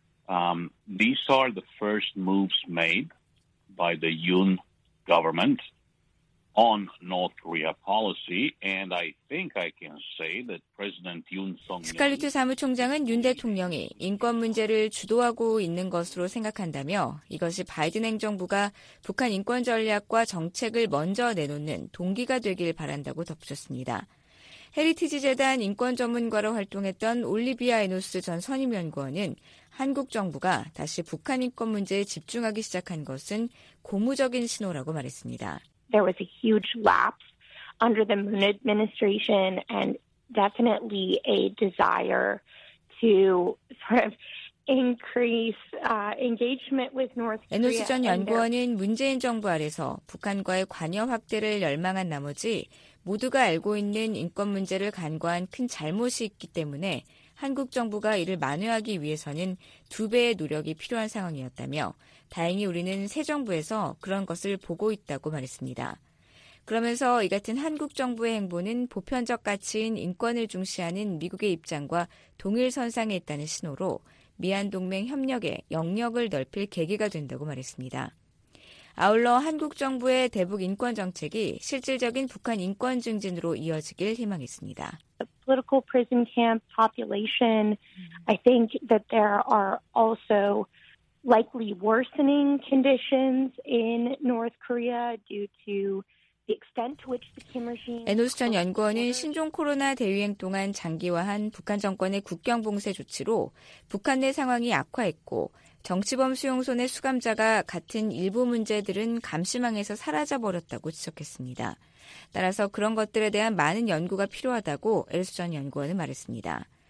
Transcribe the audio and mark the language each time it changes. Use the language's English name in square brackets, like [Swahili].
[English] These are the first moves made by the Yoon government on North Korea policy, and I think I can say that President Yoon Song-yeol [Korean] 스칼리트 사무총장은 윤 대통령이 인권 문제를 주도하고 있는 것으로 생각한다며 이것이 바이든 행정부가 북한 인권 전략과 정책을 먼저 내놓는 동기가 되길 바란다고 덧붙였습니다. 헤리티지 재단 인권 전문가로 활동했던 올리비아 에노스 전 선임 연구원은 한국 정부가 다시 북한 인권 문제에 집중하기 시작한 것은 고무적인 신호라고 말했습니다. [English] There was a huge lapse under the Moon administration and definitely a desire to sort of increase engagement with North Korea. [Korean] 에노스 전 연구원은 문재인 정부 아래서 북한과의 관여 확대를 열망한 나머지 모두가 알고 있는 인권 문제를 간과한 큰 잘못이 있기 때문에 한국 정부가 이를 만회하기 위해서는 두 배의 노력이 필요한 상황이었다며 다행히 우리는 새 정부에서 그런 것을 보고 있다고 말했습니다. 그러면서 이 같은 한국 정부의 행보는 보편적 가치인 인권을 중시하는 미국의 입장과 동일선상에 있다는 신호로 미한동맹 협력의 영역을 넓힐 계기가 된다고 말했습니다. 아울러 한국 정부의 대북 인권 정책이 실질적인 북한 인권 증진으로 이어지길 희망했습니다. [English] The political prison camp population, I think that there are also likely worsening conditions in North Korea due to the extent to which the Kim regime. [Korean] 에노스 전 연구원은 신종 코로나 대유행 동안 장기화한 북한 정권의 국경 봉쇄 조치로 북한 내 상황이 악화했고 정치범 수용소 내 수감자가 같은 일부 문제들은 감시망에서 사라져버렸다고 지적했습니다. 따라서 그런 것들에 대한 많은 연구가 필요하다고 엘수 전 연구원은 말했습니다.